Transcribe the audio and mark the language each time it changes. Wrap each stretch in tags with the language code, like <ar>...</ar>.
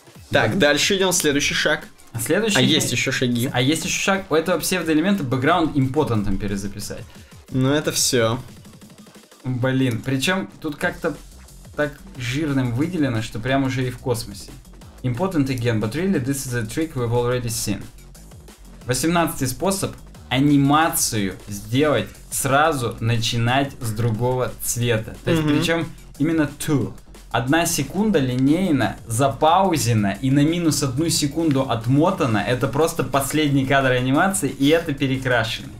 <ru>Так, да. Дальше идем, следующий шаг. Следующий... А есть еще шаги. А есть еще шаг у этого псевдоэлемента бэкграунд импотентом перезаписать. Ну это все. Блин, причем тут как-то так жирным выделено, что прям уже и в космосе.</ru> <en>Impotent again, but really this is a trick we've already seen.</en> <ru>18-й способ анимацию сделать сразу начинать с другого цвета. То есть причем именно two. Одна секунда линейно запаузена и на минус одну секунду отмотана. Это просто последний кадр анимации, и это перекрашено.</ru>